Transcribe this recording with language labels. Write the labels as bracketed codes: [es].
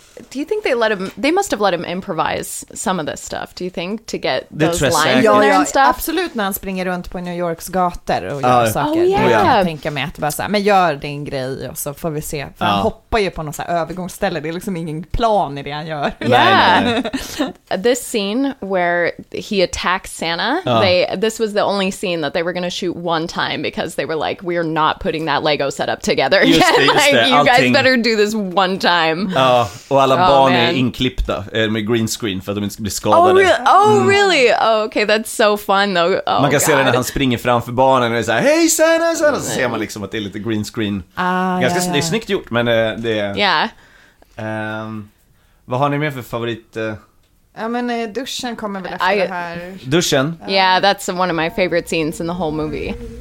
[en] Do you think they let him? They must have let him improvise some of this stuff. Do you think to get those lines in there and stuff? Absolutely, [sv] när han springer runt på New Yorks gator och gör saker. [en] Oh yeah. [sv] Jag tänker mig att bara så här, men gör din grej och så får vi se. För han hoppar ju på något så här övergångsställe. Det är liksom ingen plan i det han gör. [en] This scene where he attacks Santa. This was the only scene that they were going to shoot one time because they were like, we are not putting that Lego setup together. You guys better do this one time. [sv] Och alla barn är inklippta med green screen för att de inte ska bli skadade. [en] Oh really? Oh, okay, that's so fun though. Oh, [sv] man kan [en] God. [sv] Se det när han springer framför barnen och är såhär, hej Santa, Santa! Så ser man liksom att det är lite green screen. Ganska snyggt gjort, men det är... [en] Yeah. [sv] Vad har ni mer för favorit... Ja, men duschen kommer väl efter det här. Duschen? [en] Yeah, that's one of my favorite scenes in the whole movie.